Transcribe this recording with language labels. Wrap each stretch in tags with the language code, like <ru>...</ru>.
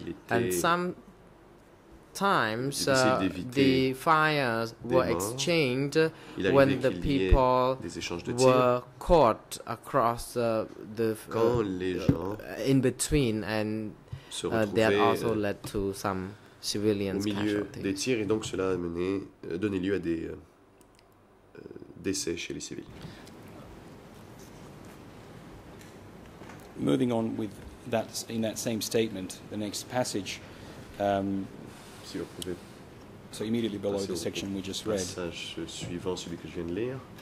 <en>And some times the fires were exchanged when the people were caught across in between, and that also led to some civilians casualties.</en> <fr>Des tirs, et donc cela a mené donné lieu à des décès chez les civils.</fr> <en>Moving on with that in that same statement, the next passage. So immediately below the section we just read.</en> <fr>Passage suivant, celui que je viens de lire.</fr>